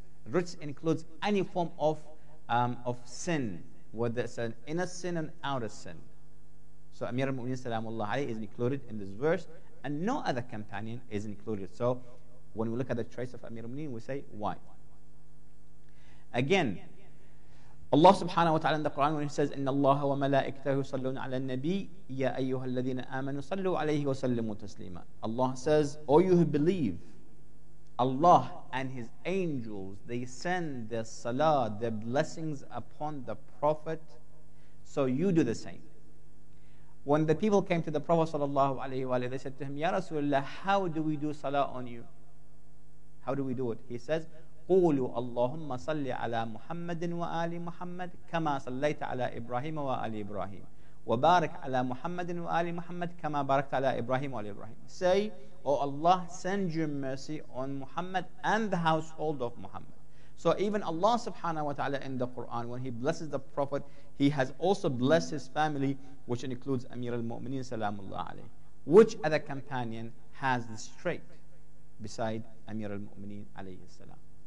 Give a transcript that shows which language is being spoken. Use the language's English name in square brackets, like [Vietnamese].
[English] Rijs includes any form of sin, whether it's an inner sin and outer sin. So Amir al-Mu'mineen salamullah alayhi is included in this verse, and no other companion is included. So when we look at the trace of Amir al-Mu'mineen, we say, why? Again, Allah subhanahu wa ta'ala in the Quran, when He says, [Arabic] إِنَّ اللَّهَ وَمَلَائِكَتَهُ صَلُّونَ عَلَى النَّبِيِّ يَا أَيُّهَا الَّذِينَ آمَنُوا صَلُّوا عَلَيْهِ وَسَلِّمُوا تَسْلِيمًا. [English] Allah says, O you who believe, Allah and His angels, they send their salah, their blessings upon the Prophet, so you do the same. When the people came to the Prophet sallallahu alayhi wa sallam, they said to him, Ya Rasulullah, how do we do salah on you? How do we do it? He says, [Arabic] قُولُوا أَللَّهُمَّ صَلِّ عَلَى مُحَمَّدٍ وَآلِ مُحَمَّدٍ كَمَا صَلَّيْتَ عَلَى إِبْرَاهِيمَ وَآلِ إِبْرَاهِيمَ وَبَارِكْ عَلَى مُحَمَّدٍ وَآلِ مُحَمَّدٍ كَمَا بَارَكْتَ عَلَى إِبْرَاهِيمَ وَآلِ إِبْرَاهِيمَ. [English] Say, O Allah, send your mercy on Muhammad and the household of Muhammad. So even Allah subhanahu wa ta'ala in the Quran, when He blesses the Prophet, He has also blessed his family, which includes Amir al-Mu'mineen salamullah alayhi. Which other companion has this trait beside Amir al-Mu'mineen alayhi salam?